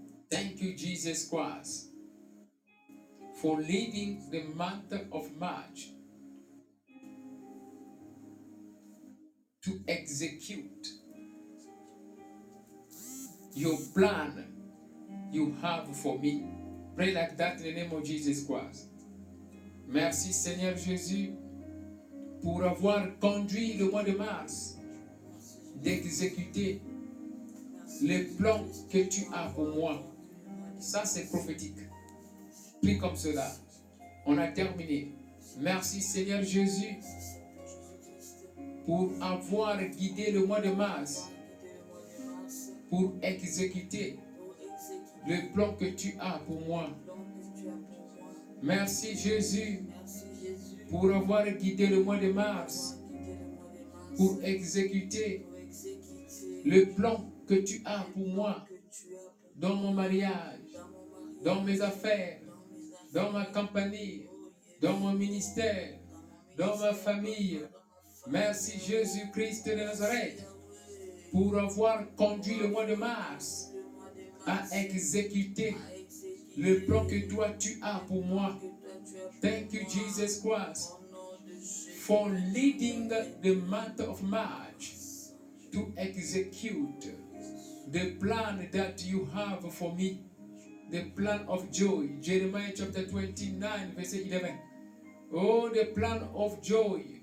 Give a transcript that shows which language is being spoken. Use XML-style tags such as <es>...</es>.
<en>Thank you, Jesus Christ, for leading the month of March to execute your plan you have for me. Pray like that in the name of Jesus Christ.</en> <fr>Merci Seigneur Jésus pour avoir conduit le mois de mars d'exécuter les plans que tu as pour moi. Ça c'est prophétique. Prie comme cela. On a terminé. Merci Seigneur Jésus pour avoir guidé le mois de mars pour exécuter le plan que tu as pour moi. Merci Jésus pour avoir guidé le mois de mars pour exécuter le plan que tu as pour moi dans mon mariage, dans mes affaires, dans ma compagnie, dans mon ministère, dans ma famille. Merci Jésus-Christ de Nazareth pour avoir conduit le mois de mars à exécuter le plan que toi tu as pour moi.</fr> <en>Thank you, Jesus Christ, for leading the month of March to execute the plan that you have for me, the plan of joy. Jeremiah chapter 29, verse 11. Oh, the plan of joy.</en>